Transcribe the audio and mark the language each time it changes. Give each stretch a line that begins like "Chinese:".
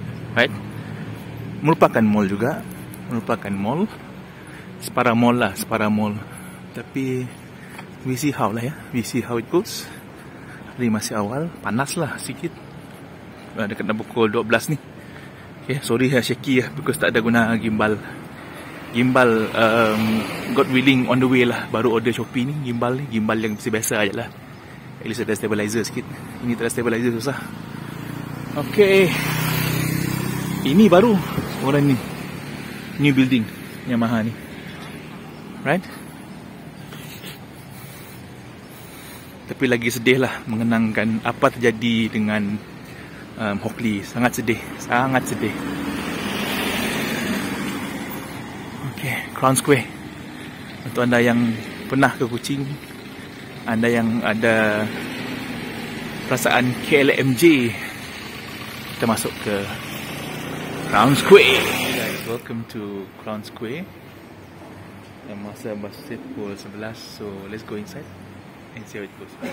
Malay: Right, merupakan mall juga, merupakan mall. Separa mall lah, separa mall. Tapi
English: we see how lah ya, we see how it goes.
Malay: Hari masih awal, panas lah sikit. Dekat dah pukul 12 ni.
English: Okay, sorry lah shaky lah, because
Malay: tak ada guna gimbal.
English: Gimbal, God willing on the way lah.
Malay: Baru order Shopee ni, gimbal ni, gimbal yang mesti biasa aje lah. At least ada stabilizer sikit. Ini tak ada stabilizer, susah. Okay, ini baru orang ni,
English: new building
Malay: Yamaha ni. Right? Tapi lagi sedih lah mengenangkan apa terjadi dengan Hockley. Sangat sedih, sangat sedih. Okay, Crown Square. Untuk anda yang pernah ke Kuching, anda yang ada perasaan KLMJ, kita masuk ke Crown Square.
English: Hey guys, welcome to Crown Square.
Malay: Masa basit pukul 11,
English: so let's go inside and see how it goes.